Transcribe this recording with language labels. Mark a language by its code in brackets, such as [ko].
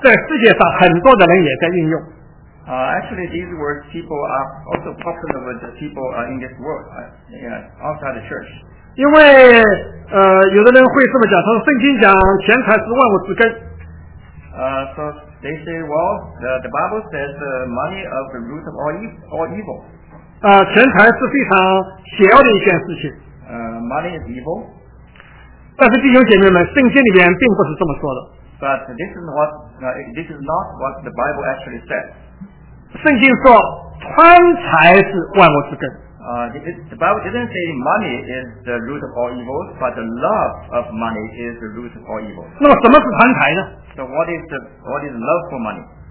[zh] 在第九节里边，第四节里边讲到的话，在世界上很多的人也在应用。 [en] Actually, these words people are also popular with the people in this world, outside the church. [zh] 因为有的人会这么讲，说圣经讲钱财是万物之根。 [en] So they say, well, the Bible says the money is the root of all evil. [zh] 钱财是非常邪恶的一件事情。 [en] Money is evil. [zh] 但是弟兄姐妹们，圣经里面并不是这么说的。 [en] But this is not what the Bible actually says. [zh] 圣经说，贪财是万物之根。 [en] The Bible didn't say money is the root of all evil, but the love of money is the root of all evil. [zh] 那么什么是贪财呢？ [en] So what is love for money?